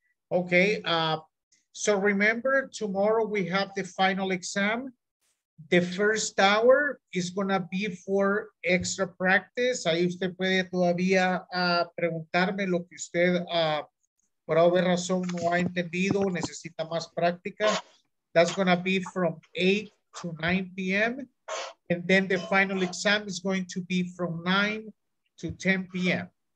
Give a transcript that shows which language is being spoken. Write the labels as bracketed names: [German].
[English] Okay, so remember tomorrow we have the final exam. The first hour is going to be for extra practice. [Spanish] Ahí usted puede todavía preguntarme lo que usted por alguna razón no ha entendido, necesita más práctica. [English] That's going to be from 8 to 9 p.m. And then the final exam is going to be from 9 to 10 p.m.